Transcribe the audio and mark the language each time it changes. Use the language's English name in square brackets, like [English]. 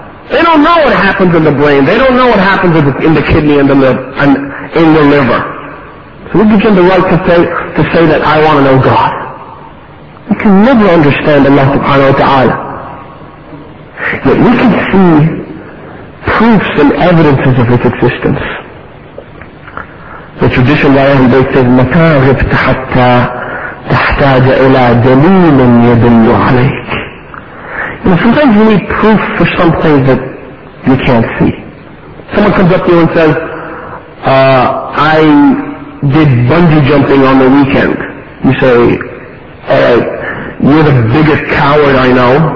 [English] They don't know what happens in the brain. They don't know what happens in the kidney and in the liver. So who gives them the right to say that I want to know God? You can never understand Allah subhanahu wa ta'ala. Yet we can see proofs and evidences of its existence. The tradition by Ahlul Bayt says, [Arabic] مَتَا غِبْتَ حَتَّى تَحْتَاجَ إِلَىٰ دَلِيلٍ يَدِلُّ عَلَيْكَ. [English] You know, sometimes you need proof for something that you can't see. Someone comes up to you and says, I did bungee jumping on the weekend. You say, alright, you're the biggest coward I know.